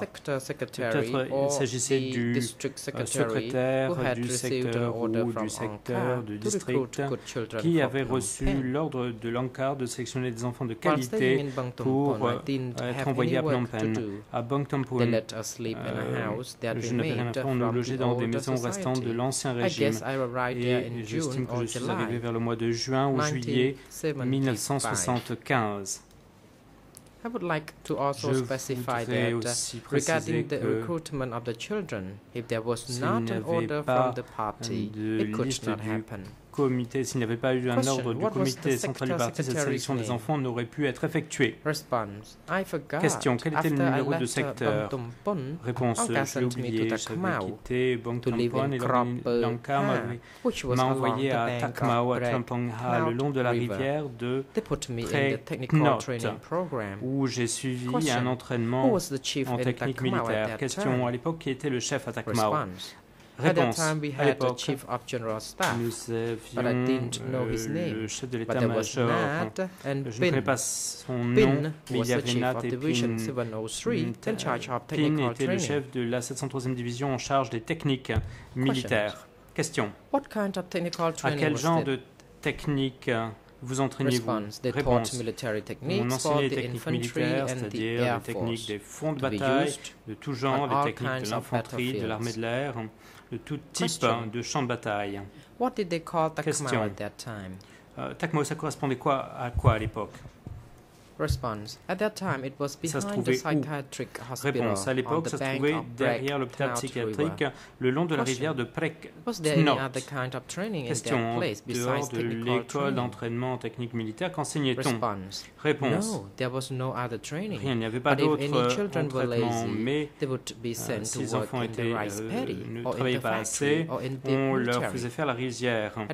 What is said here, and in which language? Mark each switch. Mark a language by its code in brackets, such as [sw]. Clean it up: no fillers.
[fr] Peut-être il s'agissait du secrétaire du secteur ou du secteur du district qui avait reçu l'ordre de Lankar de sélectionner des enfants de qualité pour être envoyés à Phnom Penh. À Bang Tom Pon, je n'avais rien à faire. On nous logeait dans des maisons restantes de l'ancien régime. Et j'estime que je suis arrivé vers le mois de juin ou juillet 1975. [en] I would like to also Je specify that regarding the recruitment of the children, if there was not an order from the party, it could not happen. [fr] Comité, s'il n'y avait pas eu un ordre du comité central du parti, cette sélection des enfants n'aurait pu être effectuée. Question, quel était le numéro de secteur? Réponse, je l'ai oublié, j'avais quitté Bang Tom Pon et Lankar m'a envoyé à Takmao, à Trampong Ha, le long de la rivière de Preknot, où j'ai suivi un entraînement en technique militaire. Question, à l'époque, qui était le chef à Takmao? Réponse. À l'époque, nous avions le chef de l'état-major. Je ne connais pas son nom, mais il y avait Nat et Pin. Pin était le chef de la 703e division en charge des techniques militaires. Question. À quel genre de technique vous entraînez-vous? Réponse. On enseignait les techniques militaires, c'est-à-dire les techniques des fonds de bataille, de tout genre, les techniques de l'infanterie, de l'armée de l'air, de tout type Question. De champ de bataille. [en] What did they call Takmao at that time? [fr] Takmao, ça correspondait quoi à quoi à l'époque? [en] Response. At that time, it was behind the psychiatric hospital. [fr] Réponse. À l'époque, ça se trouvait derrière l'hôpital psychiatrique, le long de la rivière de Preknot. [en] Was there any other kind of training [fr] Question. [en] In that place besides technical [fr] de l'école d'entraînement technique militaire, qu'enseignait-on? [en] Response. [fr] Réponse. [en] No, there was no other training. [fr] Rien, il n'y avait pas d'autre entraînement. Mais si les enfants ne travaillaient pas assez, on leur faisait faire la rivière.